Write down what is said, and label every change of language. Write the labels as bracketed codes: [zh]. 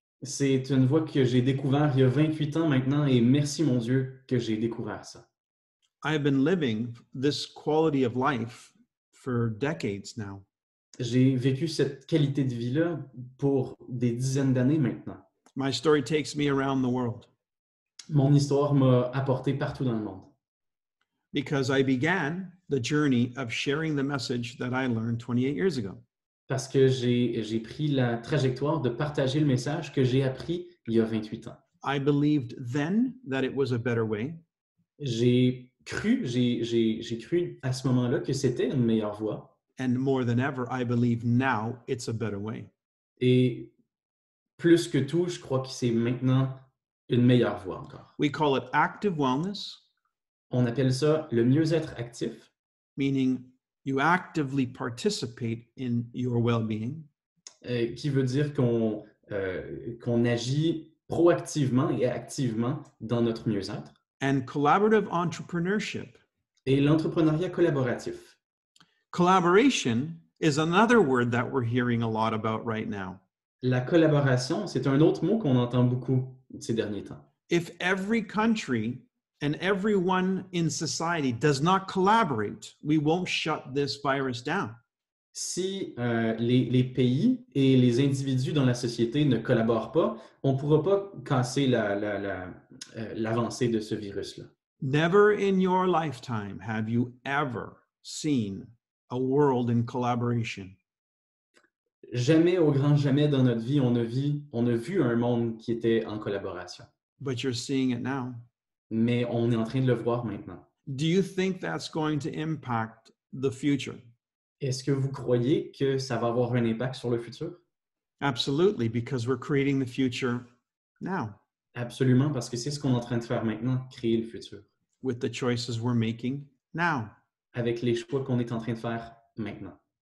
[fr] C'est une voie que j'ai découvert il y a 28 ans maintenant et merci mon Dieu que j'ai découvert ça. [en] I've been living this quality of life for decades now. [fr] J'ai vécu cette qualité de vie-là pour des dizaines d'années maintenant. [en] My story takes me around the world. [fr] Mon histoire m'a apporté partout dans le monde. [en] Because I began the journey of sharing the message that I learned 28 years ago. [fr] Parce que j'ai pris la trajectoire de partager le message que j'ai appris il y a 28 ans. [en] I believed then that it was a better way. [fr] J'ai cru à ce moment-là que c'était une meilleure voie. [en] And more than ever, I believe now it's a better way. [fr] Et plus que tout, je crois que c'est maintenant une meilleure voie encore. [en] We call it active wellness. [fr] On appelle ça le mieux-être actif. [en] Meaning you actively participate in your well-being. [fr] Qui veut dire qu'on agit proactivement et activement dans notre mieux-être. [en] And collaborative entrepreneurship. [fr] Et l'entrepreneuriat collaboratif. [en] Collaboration is another word that we're hearing a lot about right now. [fr] La collaboration, c'est un autre mot qu'on entend beaucoup ces derniers temps. [en] If every country and everyone in society does not collaborate, we won't shut this virus down. [fr] Si les pays et les individus dans la société ne collaborent pas, on ne pourra pas casser l'avancée de ce virus-là. [en] Never in your lifetime have you ever seen a world in collaboration. [fr] Jamais, au grand jamais dans notre vie, on a vu un monde qui était en collaboration. [en] But you're seeing it now. [fr] Mais on est en train de le voir maintenant. [en] Do you think that's going to impact the future? [fr] Est-ce que vous croyez que ça va avoir un impact sur le futur? [en] Absolutely, because we're creating the future now. [fr] Absolument, parce que c'est ce qu'on est en train de faire maintenant, créer le futur. [en] With the choices we're making now. [fr] Avec les choix qu'on est en train de faire maintenant.